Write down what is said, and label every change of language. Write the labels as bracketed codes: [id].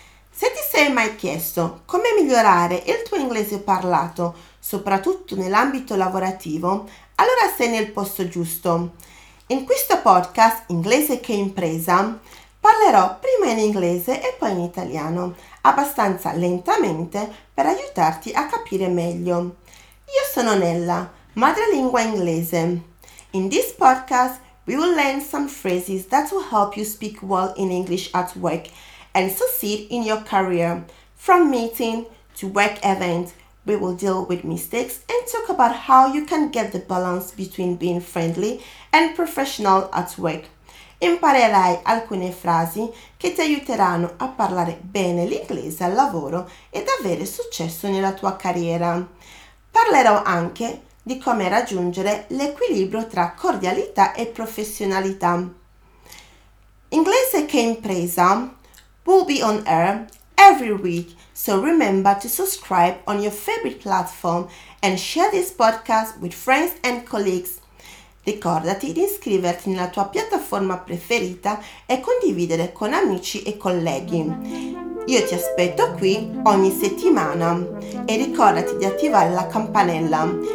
[it] Se ti sei mai chiesto come migliorare il tuo inglese parlato, soprattutto nell'ambito lavorativo, allora sei nel posto giusto. In questo podcast Inglese che impresa parlerò prima in inglese e poi in italiano, abbastanza lentamente per aiutarti a capire meglio. Io sono Nella, madrelingua inglese. [en] In this podcast we will learn some phrases that will help you speak well in English at work and succeed in your career. From meeting to work event, we will deal with mistakes and talk about how you can get the balance between being friendly and professional at work. [it] Imparerai alcune frasi che ti aiuteranno a parlare bene l'inglese al lavoro ed avere successo nella tua carriera. Parlerò anche di come raggiungere l'equilibrio tra cordialità e professionalità. [en] Inglese che impresa will be on air every week, so remember to subscribe on your favorite platform and share this podcast with friends and colleagues. [it] Ricordati di iscriverti nella tua piattaforma preferita e condividere con amici e colleghi. Io ti aspetto qui ogni settimana e ricordati di attivare la campanella.